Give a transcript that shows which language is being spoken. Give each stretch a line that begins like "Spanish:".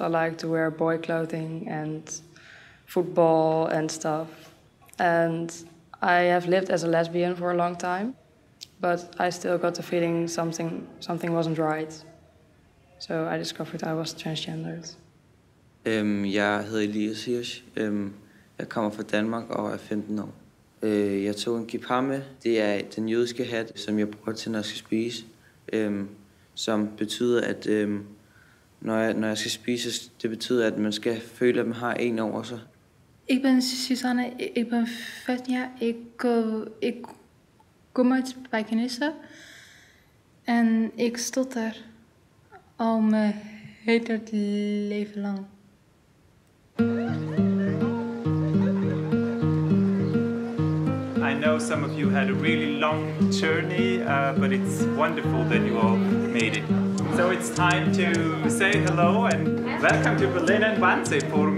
English: I liked to wear boy clothing and football and stuff. And I have lived as a lesbian for a long time, but I still got the feeling something wasn't right. So I discovered I was transgendered.
Danish: Jeg hedder Elias Hirsch. Jeg kommer fra Danmark og er 15 år. Jeg tog en kippa med. Det er den jødiske hat, som jeg bruger til, når jeg skal spise. Som betyder, at når jeg skal spise, det betyder, at man skal føle, at man har en over sig.
Dutch: Ik ben Susanne, ik ben 15 jaar, ik kom uit Pakistan en ik stotter al mijn hele leven lang.
English: I know some of you had a really long journey, but it's wonderful that you all made it. So it's time to say hello and welcome to Berlin and Wannsee Forum.